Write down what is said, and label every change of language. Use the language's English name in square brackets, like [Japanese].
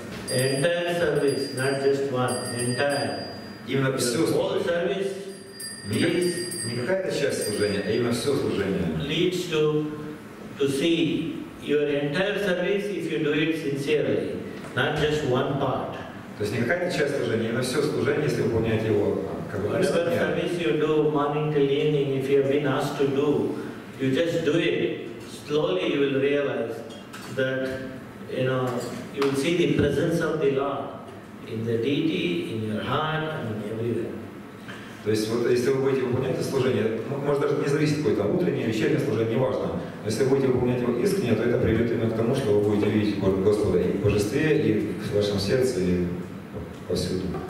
[English] Entire service, not just one, entire. [Russian] Именно все служение. Не какая-то часть служения, а именно все служение. [English] Leads to see your entire service if you do it sincerely, not just one part. [Russian] То есть не какая-то часть служения, именно все служение, если выполнять его как бы. [English] Whatever service you do morning till evening, if you have been asked to do, you just do it. Slowly you will realize that you know you will see the presence of the Lord. In the deity, in your heart, and everywhere. [Russian] То есть вот если вы будете выполнять это служение, может даже не зависит какое-то утреннее, вечернее служение, неважно. Но если вы будете выполнять его искренне, то это приведет именно к тому, что вы будете видеть Господа и в Божестве, и в вашем сердце, и повсюду.